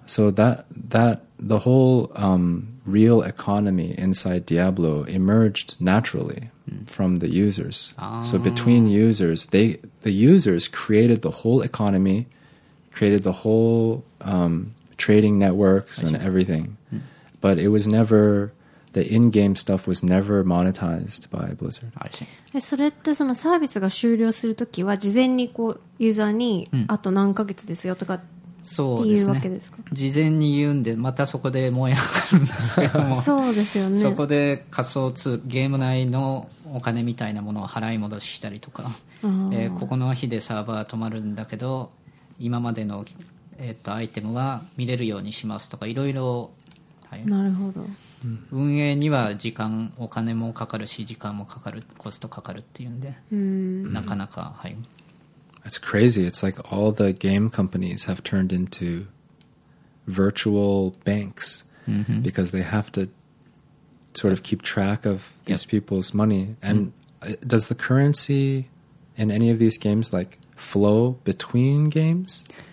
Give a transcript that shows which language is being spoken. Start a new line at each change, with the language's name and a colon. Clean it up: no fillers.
English: So that the whole real economy inside Diablo emerged naturally from the users. So between users, the users created the whole economy, created the whole... trading networks and everything. But it was never, the in-game stuff was never monetized by Blizzard.
Japanese: それってそのサービスが終了するときは事前にこうユーザーにあと何ヶ月ですよとかそうですね、言うわけですか。事前に言うんで、またそこで燃え上がるんですけども。そうですよね。そこで仮想通貨、ゲーム内のお金みたいなものを払い戻ししたりとか、ここの日でサーバー止まるんだけど、今までのアイテムは見れるようにしますとか、いろいろ大変。なるほど。運営には時間、お金もかかるし、時間もかかる、コストかかるっていうんで、なかなか、はい。
English: It's crazy. It's like all the game companies have turned into virtual banks because they have to sort of keep track of these people's money. And does the currency in any of these games like flow between games?